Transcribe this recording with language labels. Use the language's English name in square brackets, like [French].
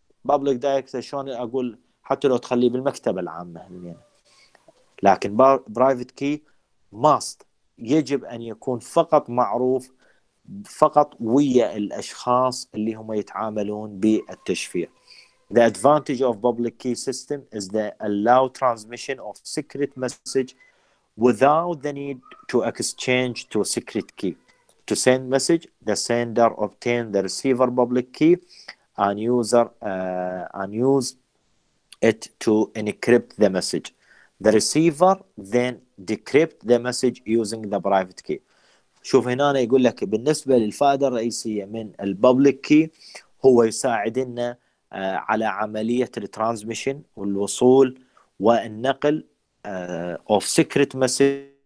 [Arabic] public directory شلون أقول؟ حتى لو تخليه بالمكتبة العامة هنا، لكن private key must يجب أن يكون فقط معروف فقط ويا الأشخاص اللي هم يتعاملون بالتشفير. [English] The advantage of public key system is the allow transmission of secret message without the need to exchange to secret key. To send message, the sender obtain the receiver public key and use it to encrypt the message. The receiver then decrypt the message using the private key. [Arabic] شوف هنا أنا يقول لك بالنسبة للفائدة الرئيسية من public key هو يساعدنا على عملية transmission والوصول والنقل of secret message